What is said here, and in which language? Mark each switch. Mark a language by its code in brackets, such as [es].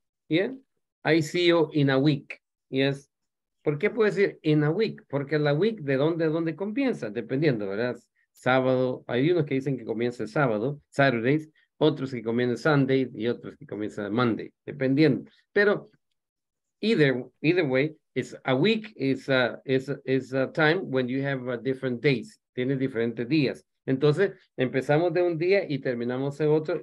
[en] Yeah, I see you in a week. Yes. [es] ¿Por qué puedo decir [en] in a week? [es] Porque la week, ¿de dónde comienza? Dependiendo, ¿verdad? Sábado. Hay unos que dicen que comienza el sábado, Saturdays. Otros que comienza Sunday y otros que comienza Monday. Dependiendo. [en] Pero either way, it's a week is a time when you have different days. [es] Tiene diferentes días. Entonces, empezamos de un día y terminamos de otro.